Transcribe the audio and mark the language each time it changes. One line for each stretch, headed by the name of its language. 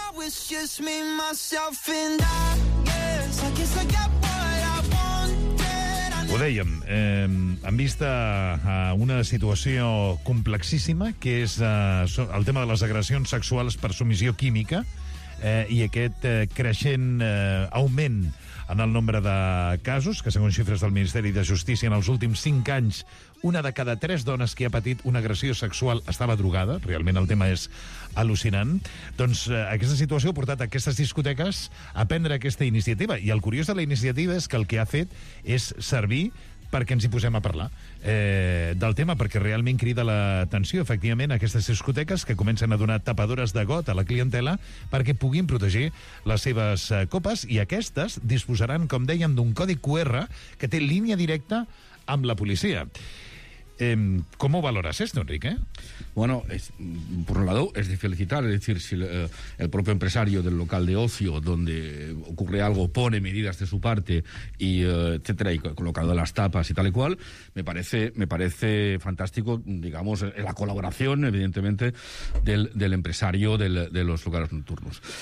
English: it's just me, myself, and I guess I guess I got what I wanted.
Catalan: Ho dèiem, en vista a una situació complexíssima, que és el tema de les agressions sexuals per submissió química, i aquest creixent augment en el nombre de casos, que segons xifres del Ministeri de Justícia, en els últims 5 anys, una de cada 3 dones que ha patit una agressió sexual estava drogada. Realment el tema és al·lucinant. Doncs aquesta situació ha portat aquestes discoteques a prendre aquesta iniciativa. I el curiós de la iniciativa és que el que ha fet és servir perquè ens hi posem a parlar del tema, perquè realment crida l'atenció, efectivament, aquestes discoteques que comencen a donar tapadores de got a la clientela perquè puguin protegir les seves copes, i aquestes disposaran, com dèiem, d'un codi QR que té línia directa amb la policia. ¿Com ho valores
Spanish: esto,
Catalan: Enrique?
Spanish: Bueno, por un lado, es de felicitar. Es decir, si el propio empresario del local de ocio donde ocurre algo pone medidas de su parte, y etcétera, y colocado las tapas y tal y cual, me parece fantástico, digamos, la colaboración, evidentemente, del empresario de los lugares nocturnos.